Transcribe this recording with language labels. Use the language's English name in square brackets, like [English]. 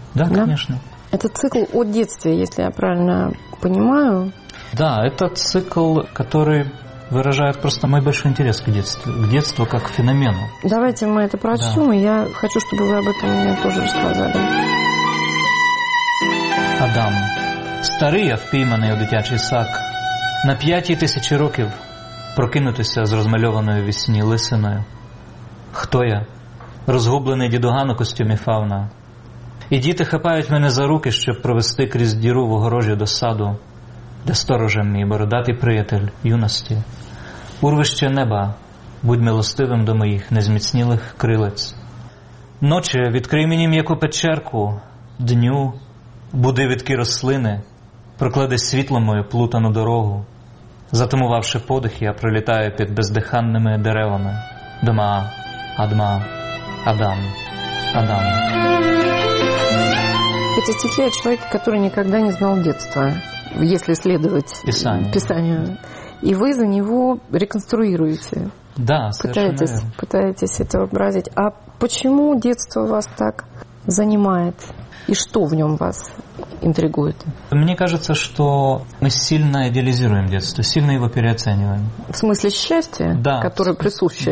[Russian] Да, да, конечно. Это цикл о детстве, если я правильно понимаю. Да, это цикл, который выражает просто мой большой интерес к детству как к феномену. Давайте мы это прочтем, да. И я хочу, чтобы вы об этом мне тоже рассказали. [Ukrainian] Адам, старий, а впійманий у дитячий сак, на 5000 років прокинутися з розмальованою вісні лисиною. Хто я? Розгублений дідуган у костюмі фауна. І діти хапають мене за руки, щоб провести крізь діру в огорожі до саду, де сторожем мій бородатий приятель юності. Урвище неба, будь милостивим до моїх незміцнілих крилець. Ночі, відкрий мені м'яку печерку, дню, буди відкі рослини, прокладе світло мою плутану дорогу. Затамувавши подих, я пролітаю під бездиханними деревами. Дма, Адма, Адам, Адам. Ці стихи о чоловіці, який ніколи не знав дитинства, якщо слідувати писанню. І ви за нього реконструюєте. [Russian] Да, пытаетесь это вообразить. А почему детство вас так занимает? И что в нем вас интригует? Мне кажется, что мы сильно идеализируем детство, сильно его переоцениваем. В смысле счастья, да, которое присуще,